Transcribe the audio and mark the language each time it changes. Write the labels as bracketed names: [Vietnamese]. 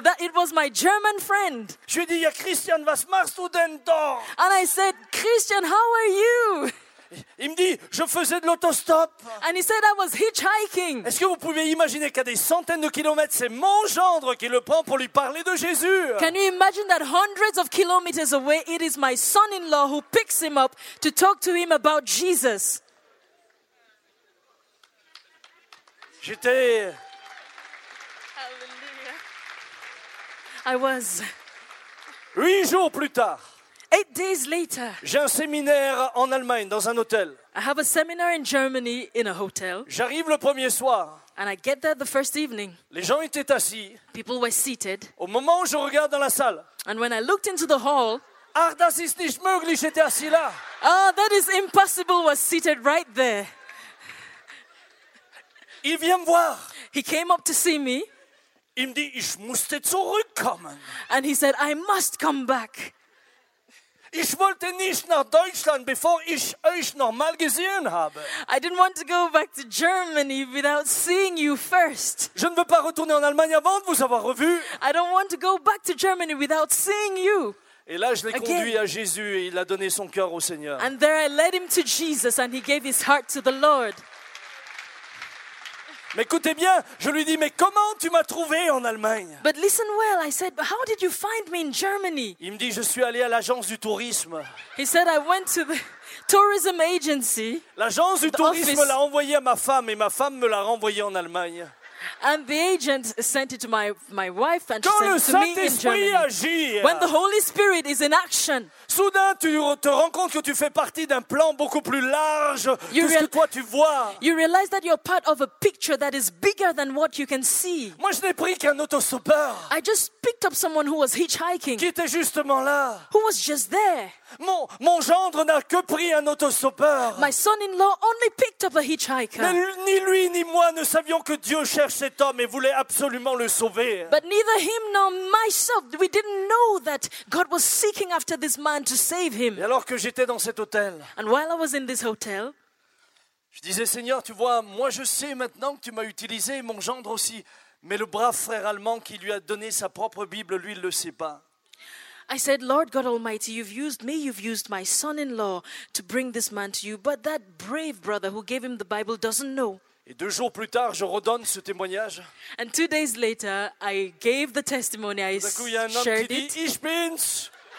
[English] That it was my German friend. [French] Je lui dis, [German] ja, Christian, was machst du denn da? [English] And I said, Christian, how are you? [French] Il me dit, je faisais de l'autostop. [English] And he said I was hitchhiking. [French] Est-ce que vous pouvez imaginer qu'à des centaines de kilomètres, c'est mon gendre qui le prend pour lui parler de Jésus? [English] Can you imagine that hundreds of kilometers away, it is my son-in-law who picks him up to talk to him about Jesus? [French] J'étais. [English] Hallelujah. I was. [French] 8 jours plus tard. [English] 8 days later, [French] j'ai un séminaire en Allemagne dans un hôtel. [English] I have a seminar in Germany in a hotel. [French] J'arrive le premier soir. [English] And I get there the first evening. [French] Les gens étaient assis. [English] People were seated. [French] Au moment où je regarde dans la salle. [English] And when I looked into the hall, [German] ach, das ist nicht möglich, [French] j'étais assis là. [English] Oh, that is impossible, was seated right there. [French] Il vient me voir. [English] He came up to see me. [French] Il me dit, [German] ich muss zurückkommen. [English] And he said, I must come back. [German] Ich wollte nicht nach Deutschland, bevor ich euch nochmal gesehen habe. [English] I didn't want to go back to Germany without seeing you first. [French] Je ne veux pas retourner en Allemagne avant de vous avoir revu. [English] I don't want to go back to Germany without seeing you. [French] Et là, je l'ai again. Conduit à Jésus et il a donné son cœur au Seigneur. [English] And there I led him to Jesus and he gave his heart to the Lord. [French] Mais écoutez bien, je lui dis, mais comment tu m'as trouvé en Allemagne? [English] But listen well, I said, but how did you find me in Germany? [French] Il me dit, je suis allé à l'agence du tourisme. [English] He said, I went to the tourism agency. [French] L'agence du tourisme l'a envoyé à ma femme et ma femme me l'a renvoyé en Allemagne. [English] And the agent sent it to my wife and she sent it to me in Germany. When the Holy Spirit is in action, [French] soudain tu te rends compte que tu fais partie d'un plan beaucoup plus large que ce que toi tu vois. [English] You realize that you're part of a picture that is bigger than what you can see. [French] Moi je n'ai pris qu'un autostoppeur. [English] I just picked up someone who was hitchhiking. [French] Qui était justement là. [English] Who was just there. [French] Mon gendre n'a que pris un autostoppeur. [English] My son-in-law only picked up a hitchhiker. [French] Mais ni lui ni moi ne savions que Dieu cherche cet homme et voulait absolument le sauver. [English] But neither him nor myself, we didn't know that God was seeking after this man to save him. [French] Et alors que j'étais dans cet hôtel. [English] And while I was in this hotel, [French] je disais, Seigneur, tu vois, moi je sais maintenant que tu m'as utilisé, mon gendre aussi, mais le brave frère allemand qui lui a donné sa propre Bible, lui, il le sait pas. [English] I said, Lord God Almighty, you've used me, you've used my son-in-law to bring this man to you, but that brave brother who gave him the Bible doesn't know. [French] Et 2 jours plus tard, je redonne ce témoignage. [English] And 2 days later, I gave the testimony, I shared it. [German] Ich bin's.